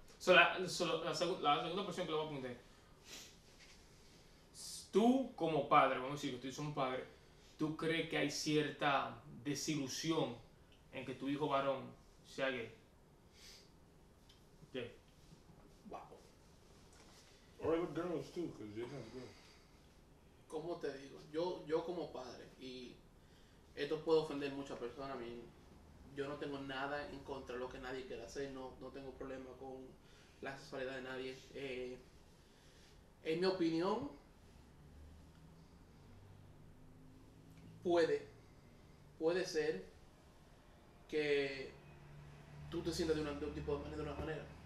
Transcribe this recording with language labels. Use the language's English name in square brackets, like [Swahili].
[Spanish] So, la segunda persona que le voy a preguntar. Tú, como padre, vamos a decir que tú eres un padre, ¿tú crees que hay cierta desilusión en que tu hijo varón sea gay? ¿Qué? Wow. [English] Or the girls, too, because they have girls. [Spanish] ¿Cómo te digo? Yo como padre, y esto puede ofender muchas personas, a mí, yo no tengo nada en contra de lo que nadie quiera hacer, no tengo problema con la sexualidad de nadie. En mi opinión, puede ser que tú te sientas de una manera.